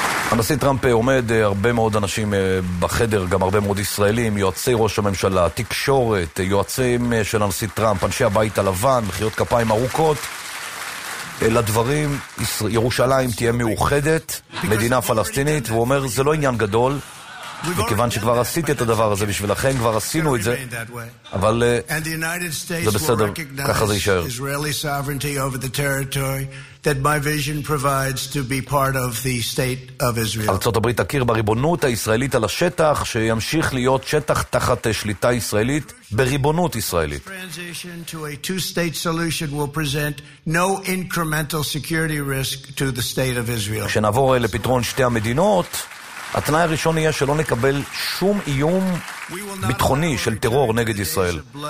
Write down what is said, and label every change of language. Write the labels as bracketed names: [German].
[Hebrew] הנשיא טראמפ עומד, הרבה מאוד אנשים בחדר, גם הרבה מאוד ישראלים, יועצי ראש הממשלה, תקשורת, יועצים של הנשיא טראמפ, אנשי הבית הלבן, מחיאות כפיים ארוכות לדברים. ירושלים תהיה מאוחדת, מדינה פלסטינית, והוא אומר, זה לא עניין גדול, מכיוון שכבר עשיתי את הדבר הזה בשבילכם, כבר עשינו את זה, אבל זה בסדר, ככה זה יישאר. [English] Israeli sovereignty over the territory that my vision provides to be part of the state of Israel. [Hebrew] ארצות הברית תכיר בריבונות הישראלית על השטח, שימשיך להיות שטח תחת שליטה ישראלית בריבונות ישראלית. [English] Transition to a two-state solution will present no incremental security risk to the state of Israel. [Hebrew] כשנעבור לפתרון שתי המדינות, התנאי הראשון יהיה שלא נקבל שום איום ביטחוני של טרור נגד ישראל.